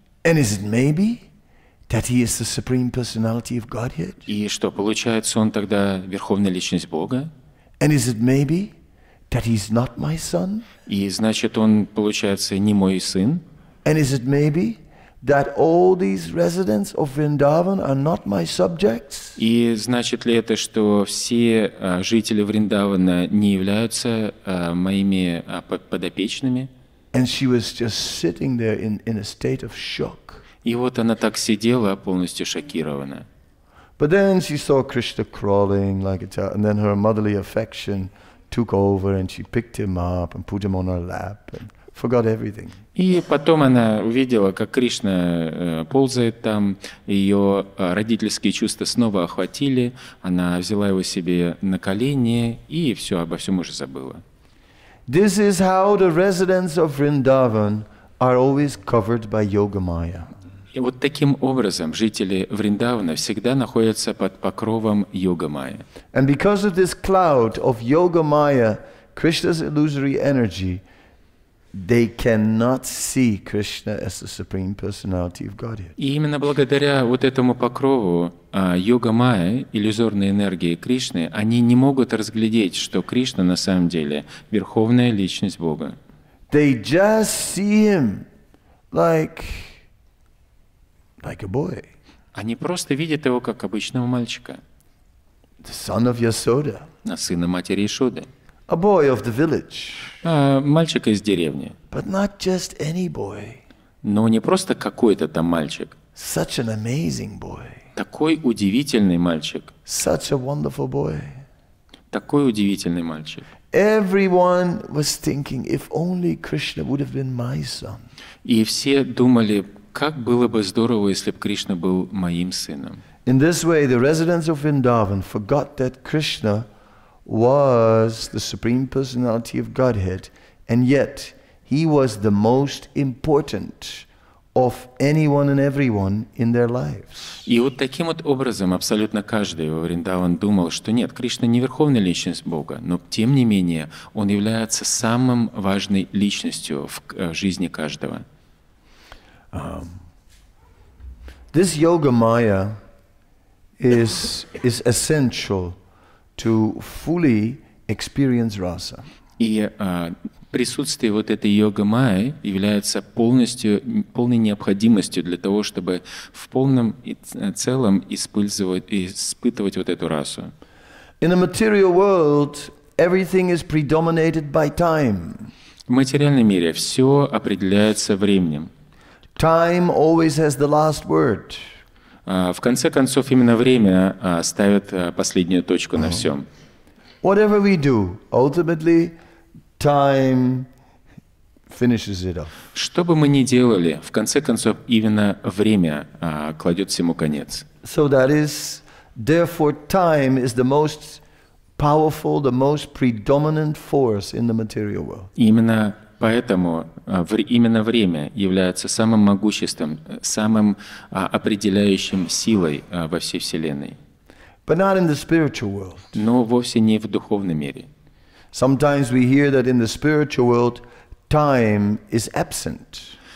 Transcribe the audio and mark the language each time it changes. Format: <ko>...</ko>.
<en>And is it maybe that he is the supreme personality of Godhead?</en> <ru>И что, получается, он тогда верховная личность Бога?</ru> <en>And is it maybe that he is not my son?</en> <ru>И значит, он, получается, не мой сын?</ru> <en>And is it maybe that all these residents of Vrindavan are not my subjects?</en> <ru>И значит ли это, что все жители Вриндавана не являются моими подопечными?</ru> <en>And she was just sitting there in a state of shock.</en> <ru>И вот она так сидела, полностью шокирована.</ru> <en>But then she saw Krishna crawling like a child, and then her motherly affection took over, and she picked him up and put him on her lap and forgot everything.</en> <ru>И потом она увидела, как Кришна ползает там, ее родительские чувства снова охватили, она взяла его себе на колени и все обо всем уже забыла.</ru> <en>This is how the residents of Vrindavan are always covered by yoga maya.</en> <ru>И вот таким образом жители Вриндавана всегда находятся под покровом йога майя.</ru> <en>And because of this cloud of yoga maya, Krishna's illusory energy, they cannot see Krishna as the Supreme Personality of Godhead.</en> <ru>И именно благодаря вот этому покрову йога майя, иллюзорной энергии Кришны, они не могут разглядеть, что Кришна на самом деле верховная личность Бога.</ru> <en>They just see him like a boy.</en> <ru>Они просто видят его как обычного мальчика.</ru> <en>The son of Yasoda.</en> <ru>На сына матери Ишоды.</ru> <en>A boy of the village.</en> <ru>Мальчика из деревни.</ru> <en>But not just any boy.</en> <ru>Но не просто какой-то там мальчик.</ru> <en>Such an amazing boy.</en> <ru>Такой удивительный мальчик.</ru> <en>Such a wonderful boy.</en> <ru>Такой удивительный мальчик.</ru> <en>Everyone was thinking, if only Krishna would have been my son.</en> <ru>И все думали, как было бы здорово, если бы Кришна был моим сыном.</ru> <en>In this way, the residents of Vrindavan forgot that Krishna was the Supreme Personality of Godhead, and yet he was the most important of anyone and everyone in their lives.</en> <ru>И вот таким вот образом абсолютно каждый во Вриндаван думал, что нет, Кришна не верховная личность Бога, но тем не менее он является самым важной личностью в жизни каждого.</ru> <en>This yoga maya is essential to fully experience rasa.</en> <ru>И присутствие вот этой йога майи является полной необходимостью для того, чтобы в полном и целом испытывать вот эту расу.</ru> <en>In a material world, everything is predominated by time.</en> <ru>В материальном мире все определяется временем.</ru> <en>Time always has the last word.</en> <ru>В конце концов, именно время ставит последнюю точку на всем.</ru> <en>Whatever we do, ultimately, time finishes it off.</en> <ru>Что бы мы ни делали, в конце концов, именно время кладет всему конец.</ru> <en>So that is, therefore, time is the most powerful, the most predominant force in the material world.</en> <ru>Именно поэтому именно время является самым могуществом, самым определяющим силой во всей Вселенной.</ru> <en>But not in the spiritual world.</en> <ru>Но вовсе не в духовном мире.</ru> <en>Sometimes we hear that in the spiritual world time is absent.</en>